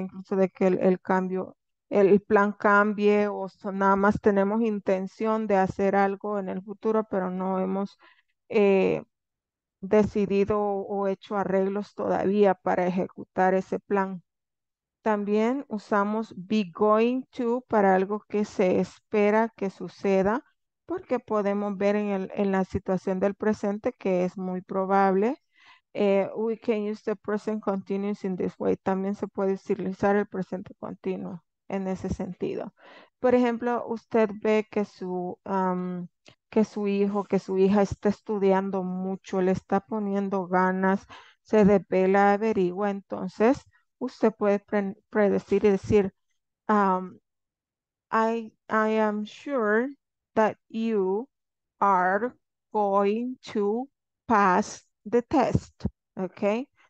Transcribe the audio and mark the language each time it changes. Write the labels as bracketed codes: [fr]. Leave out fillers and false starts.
[es] Incluso de que el cambio, el plan cambie, o nada más tenemos intención de hacer algo en el futuro, pero no hemos decidido o hecho arreglos todavía para ejecutar ese plan. También usamos be going to para algo que se espera que suceda, porque podemos ver en la situación del presente que es muy probable. [en] We can use the present continuous in this way. [es] También se puede utilizar el presente continuo en ese sentido. Por ejemplo, usted ve que su hijo, que su hija está estudiando mucho, le está poniendo ganas, se desvela, averigua. Entonces, usted puede predecir y decir, [en] I am sure that you are going to pass the test, okay?